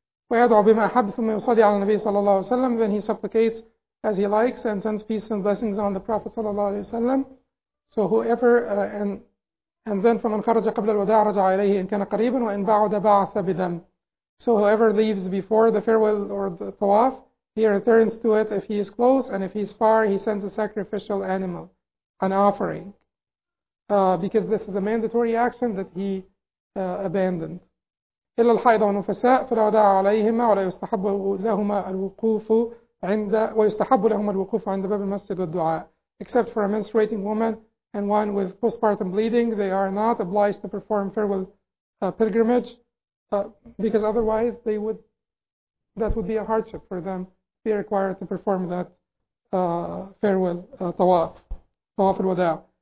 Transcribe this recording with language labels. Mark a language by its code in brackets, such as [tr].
[ar] ويدعو بما أحب ثم يصلي على النبي صلى الله عليه وسلم. [en] Then he supplicates as he likes and sends peace and blessings on the Prophet [ar] صلى الله عليه وسلم. [en] So whoever and then [ar] فمن خرج قبل الوداع رجع إليه إن كان قريبا وإن بعد بعث بدم. [en] So whoever leaves before the farewell or the tawaf, he returns to it if he is close, and if he is far, he sends a sacrificial animal, an offering, because this is a mandatory action that he abandoned. [ar] إلا الحائض والنفساء فلا وداع عليهما ولا يستحب لهما الوقوف عند ويستحب لهما الوقوف عند باب المسجد والدعاء. [en] Except for a menstruating woman and one with postpartum bleeding, they are not obliged to perform farewell pilgrimage because otherwise that would be a hardship for them to be required to perform that farewell tawaf al wada'.